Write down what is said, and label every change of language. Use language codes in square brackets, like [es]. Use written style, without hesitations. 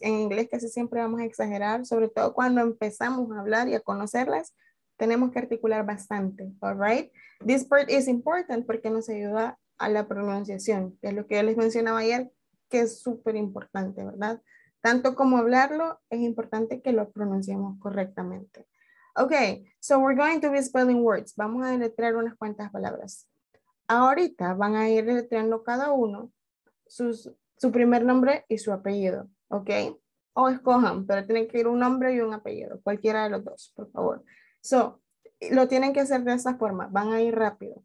[es] En inglés casi siempre vamos a exagerar, sobre todo cuando empezamos a hablar y a conocerlas, tenemos que articular bastante, all right? [en] This part is important [es] porque nos ayuda a la pronunciación, que es lo que yo les mencionaba ayer, que es súper importante, ¿verdad? Tanto como hablarlo, es importante que lo pronunciemos correctamente. [en] Okay, so we're going to be spelling words. [es] Vamos a deletrear unas cuantas palabras. Ahorita van a ir deletreando cada uno su primer nombre y su apellido, okay? O escojan, pero tienen que ir un nombre y un apellido, cualquiera de los dos, por favor. So, lo tienen que hacer de esa forma, van a ir rápido.